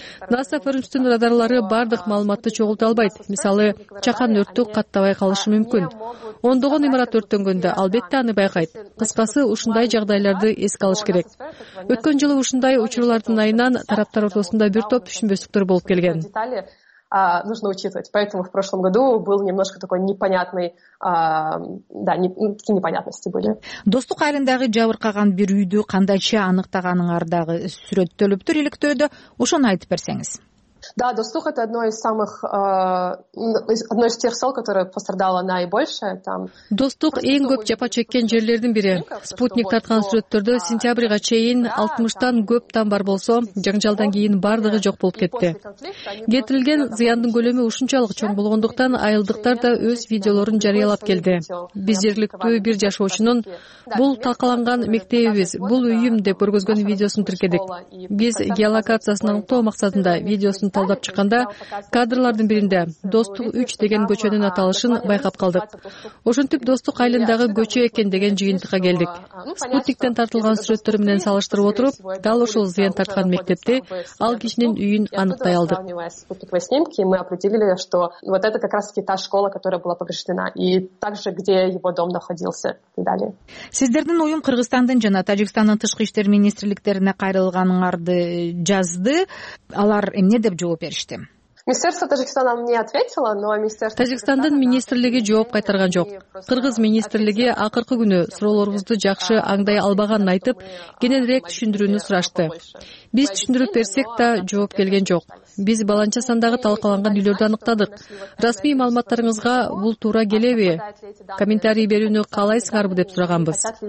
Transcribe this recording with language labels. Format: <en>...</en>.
<ky>NASA Firms'тун радарлары бардык маалыматты чогулта албайт. Мисалы, чакан өрттү каттабай калышы мүмкүн. Ондогон имарат өрттөнгөндө албетте аны байкайт. Кыскасы, ушундай жагдайларды эске алыш керек. Өткөн жылы ушундай учурлардын айынан тараптар ортосунда бир топ түшүнбөстүктөр болуп келген.</ky> <ru>Детали нужно учитывать. Поэтому в прошлом году был немножко такой непонятный, такие непонятности были.</ru> <ky>Достук айылындагы жабыркаган бир үйдү кандайча аныктаганыңар дагы сүрөттөлүптүр иликтөөдө. Ушуну айтып берсеңиз.</ky> <ru>Да, Достук это одно из тех сел, которое пострадало наибольше.</ru> <ky>Достук эң көп жапа чеккен жерлердин бири. Спутник тарткан сүрөттөрдө сентябрга чейин 60-тан көп тамбар болсо, жаңжалдан кийин бардыгы жок болуп кетти. Кетирилген зыяндын көлөмү ушунчалык чоң болгондуктан айылдыктар да өз видеолорун жарыялап келди. Биз жергиликтүү бир жашоочунун бул талкаланган мектебибиз, бул үйүм деп көргөзгөн видеосун тиркедик. Биз геолокациясын аныктоо максатында видео талдап чыкканда кадрлардын биринде Достук 3 деген көчөнүн аталышын байкап калдык. Ошентип Достук айылындагы көчө экен деген жыйынтыкка келдик. Спутниктен тартылган сүрөттөр менен салыштырып отуруп, дал ушул зыян тарткан мектепти ал кишинин үйүн аныктай алдык.</ky> <ru>Спутниковые снимки мы определили, что вот это как раз-таки та школа, которая была повреждена, и также где его дом находился и далее.</ru> <ky>Сиздердин уюм Кыргызстандын жана Тажикстандын тышкы иштер министрликтерине кайрылганыңарды жазды. Алар эмне деп жооп беришти?</ky> <ru>Министерство Тажикстана мне ответило, но министерство</ru> <ky>Тажикстандын министрлиги жооп кайтарган жок. Кыргыз министрлиги акыркы күнү суроолорубузду жакшы аңдай албаганын айтып, кененирээк түшүндүрүүнү сурашты. Биз түшүндүрүп берсек да жооп келген жок. Биз баланча сандагы талкаланган үйлөрдү аныктадык. Расмий маалыматтарыңызга бул туура келеби? Комментарий берүүнү каалайсыңарбы деп сураганбыз.</ky>